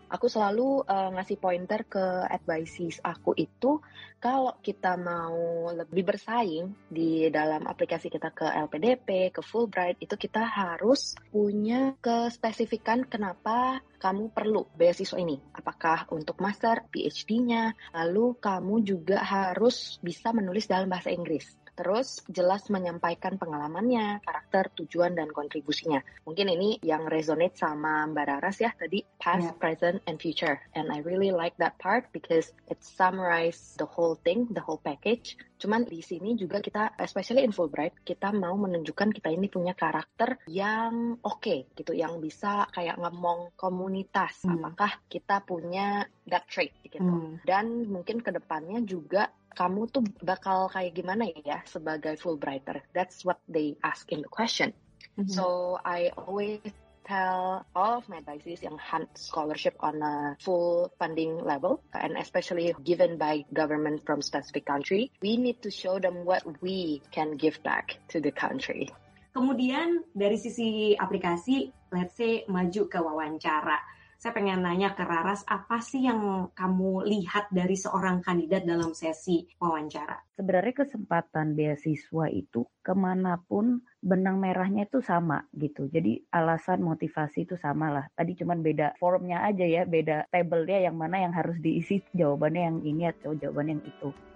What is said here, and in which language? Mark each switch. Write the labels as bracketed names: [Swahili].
[Indonesian] Aku selalu ngasih pointer ke advices aku itu, kalau kita mau lebih bersaing di dalam aplikasi kita ke LPDP, ke Fulbright, itu kita harus punya kespesifikan kenapa kamu perlu beasiswa ini. Apakah untuk master, PhD-nya, lalu kamu juga harus bisa menulis dalam bahasa Inggris. Terus jelas menyampaikan pengalamannya, karakter, tujuan, dan kontribusinya. Mungkin ini yang resonate sama Mbak Raras ya tadi, [English] past, yeah, present, and future. And I really like that part because it summarizes the whole thing, the whole package. [Indonesian] Cuman di sini juga kita, [English] especially in Fulbright, [Indonesian] kita mau menunjukkan kita ini punya karakter yang okay, gitu, yang bisa kayak ngomong komunitas. Apakah kita punya [English] that trait, [Indonesian] gitu. Dan mungkin kedepannya juga, kamu tuh bakal kayak gimana ya sebagai Fulbrighter? [English] That's what they ask in the question. So I always tell all of my advices [Indonesian] yang [English] hunt scholarship on a full funding level, and especially given by government from specific country, we need to show them what we can give back to the country. [Indonesian] Kemudian dari sisi aplikasi, [English] let's say [Indonesian] maju ke wawancara. Saya pengen nanya ke Raras, apa sih yang kamu lihat dari seorang kandidat dalam sesi wawancara? Sebenarnya kesempatan beasiswa itu kemanapun benang merahnya itu sama gitu. Jadi alasan motivasi itu sama lah. Tadi cuman beda forumnya aja ya, beda tabelnya yang mana yang harus diisi, jawabannya yang ini atau jawaban yang itu.